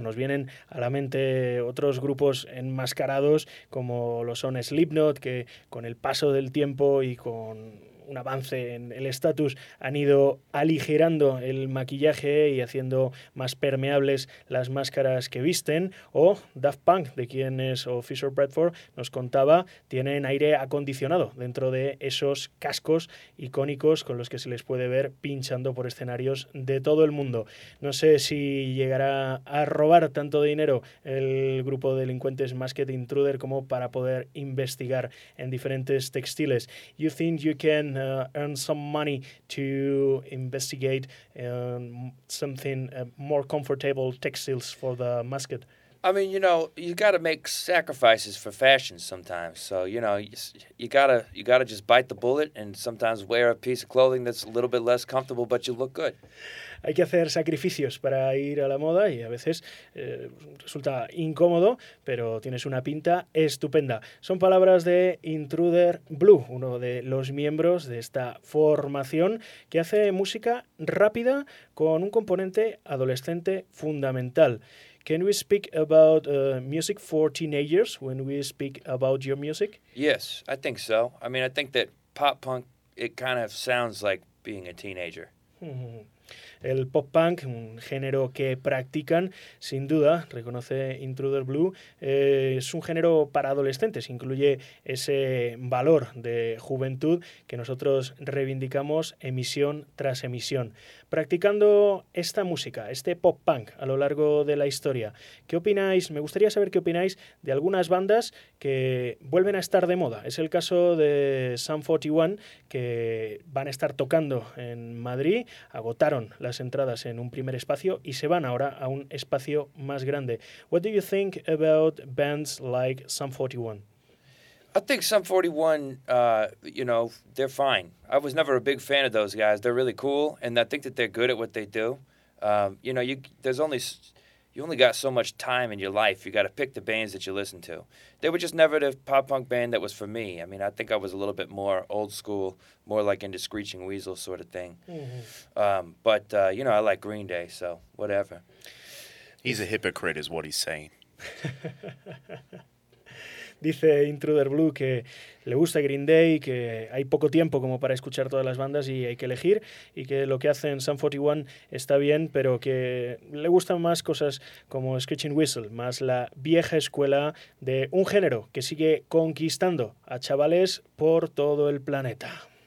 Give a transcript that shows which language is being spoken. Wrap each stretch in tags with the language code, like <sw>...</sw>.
<es>Nos vienen a la mente otros grupos enmascarados como lo son Slipknot, que con el paso del tiempo y con un avance en el estatus han ido aligerando el maquillaje y haciendo más permeables las máscaras que visten, o Daft Punk, de quienes Fisher Bradford nos contaba, tienen aire acondicionado dentro de esos cascos icónicos con los que se les puede ver pinchando por escenarios de todo el mundo. No sé si llegará a robar tanto dinero el grupo de delincuentes Masked Intruder como para poder investigar en diferentes textiles.</es> <en>You think you can earn some money to investigate something more comfortable textiles for the musket? I mean, you know, you got to make sacrifices for fashion sometimes. So, you know, you got to just bite the bullet and sometimes wear a piece of clothing that's a little bit less comfortable, but you look good.</en> <es>Hay que hacer sacrificios para ir a la moda y a veces resulta incómodo, pero tienes una pinta estupenda. Son palabras de Intruder Blue, uno de los miembros de esta formación que hace música rápida con un componente adolescente fundamental.</es> <en>Can we speak about music for teenagers when we speak about your music? Yes, I think so. I mean, I think that pop punk, it kind of sounds like being a teenager.</en> <es>El pop punk, un género que practican, sin duda, reconoce Intruder Blue, es un género para adolescentes. Incluye ese valor de juventud que nosotros reivindicamos emisión tras emisión. Practicando esta música, este pop punk a lo largo de la historia, ¿qué opináis? Me gustaría saber qué opináis de algunas bandas que vuelven a estar de moda. Es el caso de Sum 41, que van a estar tocando en Madrid, agotaron las entradas en un primer espacio y se van ahora a un espacio más grande.</es> <en>What do you think about bands like Sum 41? I think Sum 41, you know, they're fine. I was never a big fan of those guys. They're really cool, and I think that they're good at what they do. You know, you only got so much time in your life. You got to pick the bands that you listen to. They were just never the pop punk band that was for me. I mean, I think I was a little bit more old school, more like into Screeching Weasel sort of thing. Mm-hmm. But you know, I like Green Day, so whatever. He's a hypocrite, is what he's saying.</en> <es>Dice Intruder Blue que le gusta Green Day, que hay poco tiempo como para escuchar todas las bandas y hay que elegir, y que lo que hacen Sum 41 está bien, pero que le gustan más cosas como Screeching Weasel, más la vieja escuela de un género que sigue conquistando a chavales por todo el planeta.</es>